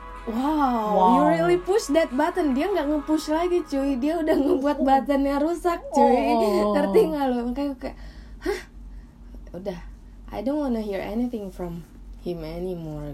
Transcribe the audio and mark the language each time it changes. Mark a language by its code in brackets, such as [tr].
[en] Wow, you really push that button. [id] Dia nggak nge-push lagi, cuy. Dia udah ngebuat buttonnya rusak, cuy. Ngerti nggak lo? Makanya kayak, udah. [en] I don't wanna hear anything from him anymore.